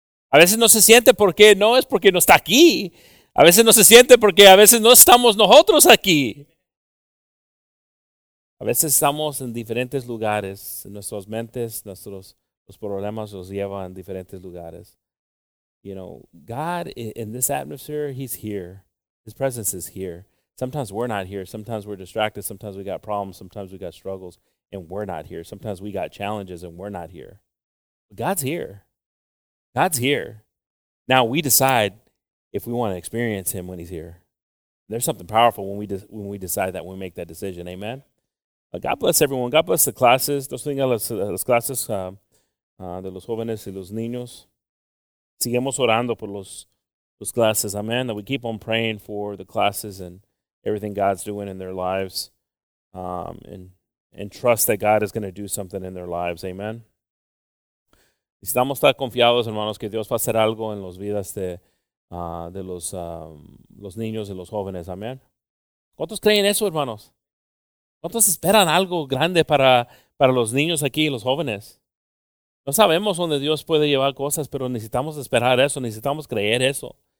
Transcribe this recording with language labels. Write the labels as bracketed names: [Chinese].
[Spanish] A veces no se siente porque no es porque no está aquí. A veces no se siente porque a veces no estamos nosotros aquí. A veces estamos en diferentes lugares. En nuestras mentes, los problemas nos llevan a diferentes lugares. [English] You know, God, in this atmosphere, he's here. His presence is here. Sometimes we're not here. Sometimes we're distracted. Sometimes we got problems. Sometimes we got struggles, and we're not here. Sometimes we got challenges, and we're not here. But God's here. God's here. Now we decide if we want to experience him when he's here. There's something powerful when we decide that, when we make that decision. Amen? But God bless everyone. God bless the classes. [Spanish] Dios bendiga las clases de los jóvenes y los niños. Seguimos orando por los clases, amen. [English] That we keep on praying for the classes and everything God's doing in their lives, and trust that God is going to do something in their lives, amen. [Spanish] Estamos tan confiados, hermanos, que Dios va a hacer algo en las vidas de los niños y los jóvenes, amen. ¿Cuántos creen eso, hermanos? ¿Cuántos esperan algo grande para los niños aquí y los jóvenes? No sabemos dónde Dios puede llevar cosas, pero necesitamos esperar eso, necesitamos creer eso.